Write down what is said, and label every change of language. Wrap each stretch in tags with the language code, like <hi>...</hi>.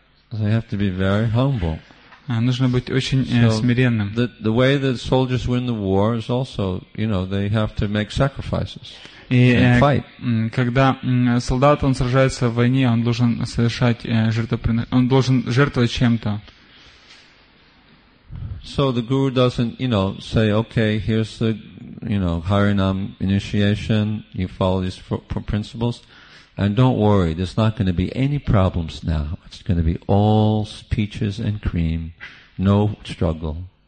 <en>So you have to be very humble.</en> <ru>Нужно быть очень смиренным.</ru> <en>The way that soldiers win the war is also, you know, they have to make sacrifices.</en> <ru>И</ru> <en>fight.</en> <ru>Когда солдат, он сражается в войне, он должен совершать жертвоприношение, он должен жертвовать чем-то.</ru> <en>So the guru doesn't, you know, say, okay, here's the, you know, Harinam initiation, you follow these principles, and don't worry, there's not going to be any problems now. It's going to be all peaches and cream, no struggle.</en>